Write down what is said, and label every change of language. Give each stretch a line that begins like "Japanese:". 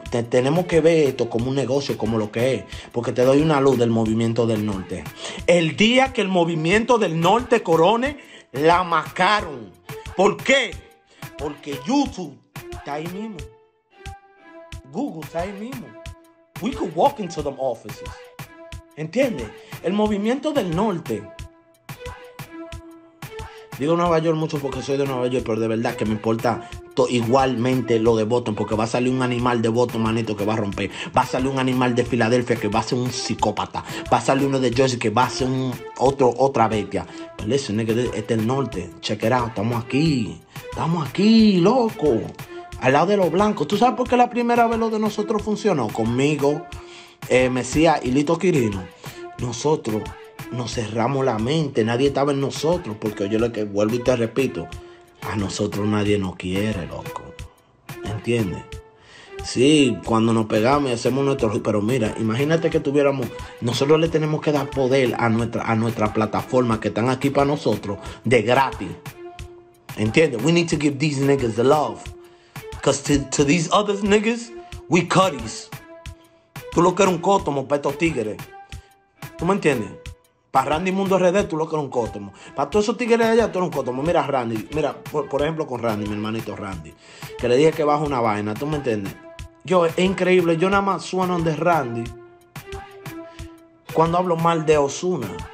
Spanish: Tenemos que ver esto como un negocio, como lo que es. Porque te doy una luz del movimiento del norte. El día que el movimiento del norte corone, la macaron. ¿Por qué? Porque YouTube está ahí mismo. Google está ahí mismo.
English: We could walk into them offices.
Spanish: ¿Entiendes? El movimiento del norte. Digo Nueva York mucho porque soy de Nueva York, pero de verdad que me importa igualmente lo de Boston, porque va a salir un animal de Boston, manito, que va a romper. Va a salir un animal de Filadelfia que va a ser un psicópata. Va a salir uno de Jersey que va a ser otra bestia. Pero
English: listen, nigga,
Spanish: este es el norte.
English: Check it out.
Spanish: Estamos aquí, loco. Al lado de los blancos. ¿Tú sabes por qué la primera vez lo de nosotros funcionó? Conmigo, Mesías y Lito Quirino. Nosotros nos cerramos la mente. Nadie estaba en nosotros. Porque yo lo que vuelvo y te repito. A nosotros nadie nos quiere, loco. ¿Entiendes? Sí, cuando nos pegamos y hacemos nuestro... Pero mira, imagínate que tuviéramos... Nosotros le tenemos que dar poder a nuestra plataforma que están aquí para nosotros de gratis. ¿Entiendes?
English: We need to give these niggas the love. Because to these other niggas, we cutties.
Spanish: Tú lo que eres un cótomo para estos tigres. ¿Tú me entiendes? Para Randy Mundo RD, tú lo que eres un cótomo. Para todos esos tigres de allá, tú eres un cótomo. Mira, Randy. Mira, por ejemplo, con Randy, mi hermanito Randy. Que le dije que baja una vaina. ¿Tú me entiendes? Yo, es increíble. Yo nada más sueno donde Randy cuando hablo mal de Ozuna.